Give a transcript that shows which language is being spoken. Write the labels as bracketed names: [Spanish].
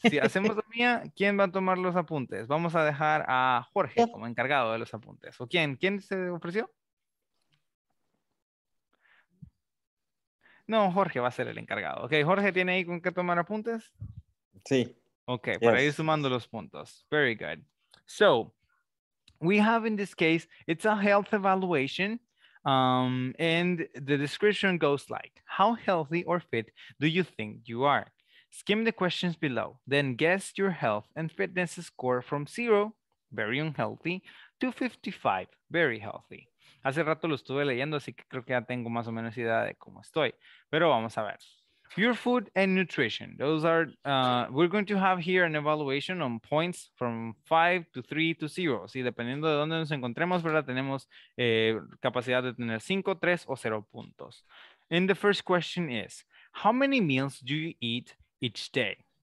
[Spanish] Si hacemos la mía, ¿quién va a tomar los apuntes? Vamos a dejar a Jorge como encargado de los apuntes. ¿O quién? ¿Quién se ofreció? No, Jorge va a ser el encargado. Okay, Jorge, ¿tiene ahí con qué tomar apuntes? Sí. Okay, yes. Para ir sumando los puntos. [English] Very good. So, we have in this case, it's a health evaluation. And the description goes like, how healthy or fit do you think you are? Skim the questions below, then guess your health and fitness score from 0, very unhealthy, to 55, very healthy. [Spanish] Hace rato lo estuve leyendo, así que creo que ya tengo más o menos idea de cómo estoy. Pero vamos a ver. [English] Your food and nutrition. Those are, we're going to have here an evaluation on points from 5 to 3 to 0. [Spanish] Sí, dependiendo de dónde nos encontremos, ¿verdad? Tenemos capacidad de tener 5, 3 o 0 puntos. [English] And the first question is, how many meals do you eat each day?